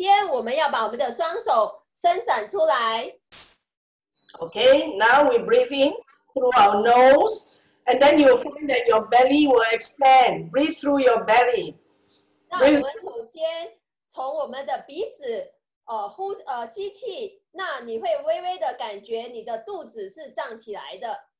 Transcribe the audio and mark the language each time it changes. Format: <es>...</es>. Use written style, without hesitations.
<zh>那我们现在要做我们的呼吸的运动，因为大笑瑜伽是结合了瑜伽的呼吸。那首先我们要把我们的双手伸展出来。</zh> <en>Okay, now we breathe in through our nose, and then you'll find that your belly will expand. Breathe through your belly.</en> <zh>那我们首先从我们的鼻子吸气，那你会微微的感觉你的肚子是胀起来的。</zh>